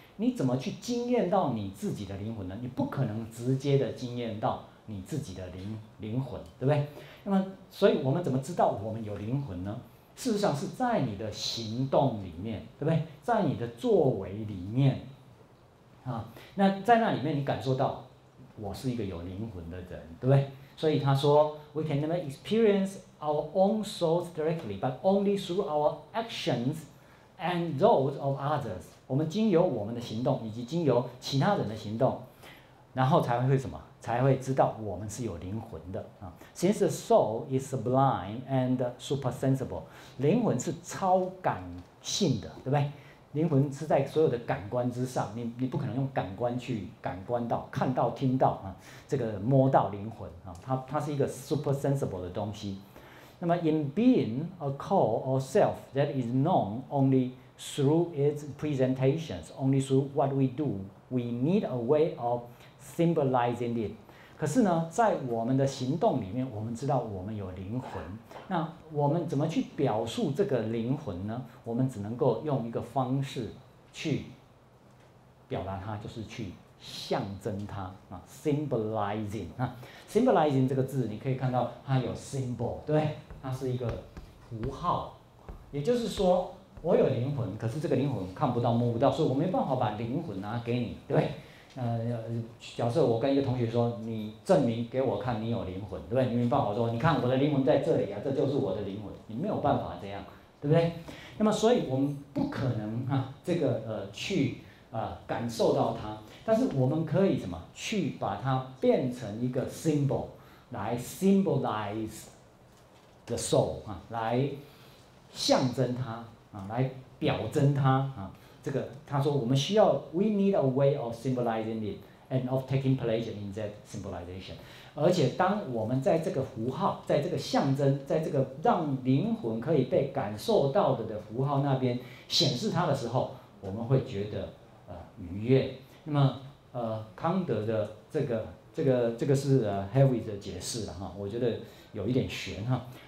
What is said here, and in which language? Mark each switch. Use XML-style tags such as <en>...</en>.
<zh>你怎么去经验到你自己的灵魂呢？你不可能直接的经验到你自己的灵魂，对不对？那么，所以我们怎么知道我们有灵魂呢？事实上是在你的行动里面，对不对？在你的作为里面，啊，那在那里面你感受到我是一个有灵魂的人，对不对？所以他说</zh> <en>，We can never experience our own souls directly, but only through our actions and those of others.</en> <zh>我们经由我们的行动，以及经由其他人的行动，然后才会什么？才会知道我们是有灵魂的啊。</zh> <en>Since the soul is sublime and supersensible,</en> <zh>灵魂是超感性的，对不对？灵魂是在所有的感官之上，你不可能用感官去感官到、看到、听到啊，这个摸到灵魂啊，它是一个 supersensible 的东西。那么</zh> <en>，in being a core or self that is known only through its presentations, only through what we do, we need a way of symbolizing it.</en> <zh>可是呢，在我们的行动里面，我们知道我们有灵魂。那我们怎么去表述这个灵魂呢？我们只能够用一个方式去表达它，就是去象征它啊 ，symbolizing 啊 ，symbolizing 这个字，你可以看到它有 symbol， 对，它是一个符号。也就是说，我有灵魂，可是这个灵魂看不到、摸不到，所以我没办法把灵魂拿给你，对。假设我跟一个同学说，你证明给我看你有灵魂，对不对？你没办法说，你看我的灵魂在这里啊，这就是我的灵魂，你没有办法这样，对不对？那么，所以我们不可能哈、啊，这个去感受到它，但是我们可以什么去把它变成一个 symbol 来</zh> <en>symbolize the soul</en> <zh>啊，来象征它啊，来表征它啊。这个他说，我们需要</zh> <en>，we need a way of symbolizing it and of taking pleasure in that symbolization。</en> <zh>而且，当我们在这个符号、在这个象征、在这个让灵魂可以被感受到的符号那边显示它的时候，我们会觉得愉悦。那么康德的这个是Heavitt 的解释了哈，我觉得有一点悬哈。</zh>